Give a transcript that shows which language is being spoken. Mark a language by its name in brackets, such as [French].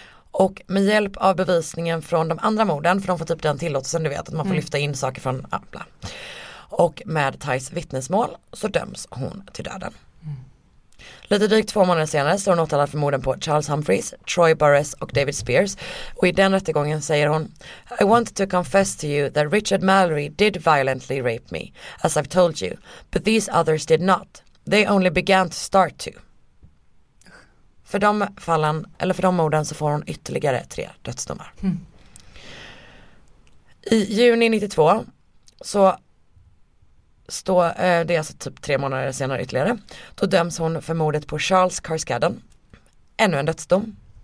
[Swedish] Och med hjälp av bevisningen från de andra morden, för de får typ den tillåtelsen, du vet, att man får lyfta in saker från Ampla. Och med Tais vittnesmål så döms hon till döden. Lite drygt 2 månader senare står hon åtalad för morden på Charles Humphreys, Troy Burress och David Spears. Och i den rättegången säger hon, [English] I want to confess to you that Richard Mallory did violently rape me, as I've told you. But these others did not. They only began to start to. [Swedish] För de fallen, eller för de morden, så får hon ytterligare 3 dödsdomar. I juni 92 så... det är alltså typ 3 månader senare ytterligare. Då döms hon för mordet på Charles Carskadden. Ännu en dödsdom.